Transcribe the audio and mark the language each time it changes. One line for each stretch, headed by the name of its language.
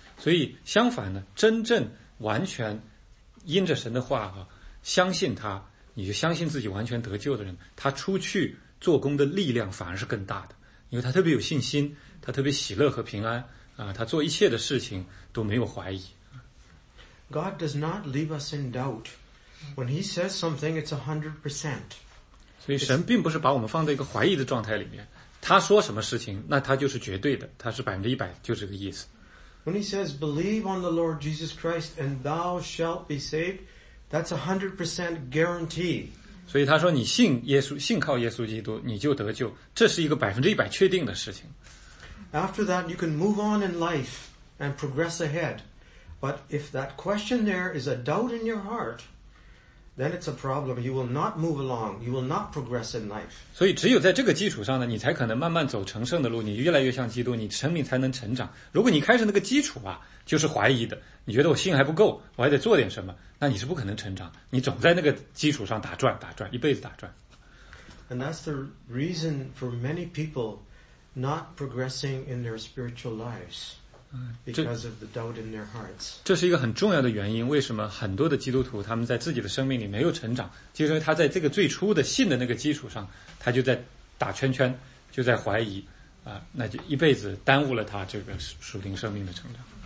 Chinese: 所以相反呢，真正完全因着神的话啊，相信他，你就相信自己完全得救的人，他出去做工的力量反而是更大的，因为他特别有信心，他特别喜乐和平安啊，他做一切的事情都没有怀疑。
English: God does not leave us in doubt. When he says something, it's 100%.
Chinese: 所以神并不是把我们放在一个怀疑的状态里面，他说什么事情那他就是绝对的，他是100%，就是这个意思。
English: When he says believe on the Lord Jesus Christ and thou shalt be saved, that's 100% guarantee.
Chinese: 所以他说你信耶稣，信靠耶稣基督你就得救，这是一个100%确定的事情。
English: After that you can move on in life and progress ahead. But if that question there is a doubt in your heart,then it's a problem. You will not move along. You will not progress in life.
Chinese: 所以只有在这个基础上呢，你才可能慢慢走成圣的路，你越来越像基督，你生命才能成长。如果你开始那个基础啊，就是怀疑的，你觉得我信还不够，我还得做点什么，那你是不可能成长。你总在那个基础上打转打转，一辈子打转。
English: And that's the reason for many people not progressing in their spiritual lives. Because of the doubt in their hearts.
Chinese: 这是一个很重要的原因，为什么很多的基督徒他们在自己的生命里没有成长，就是因为他在这个最初的信的那个基础上，他就在打圈圈，就在怀疑啊，那就一辈子耽误了他这个属灵生命的成长。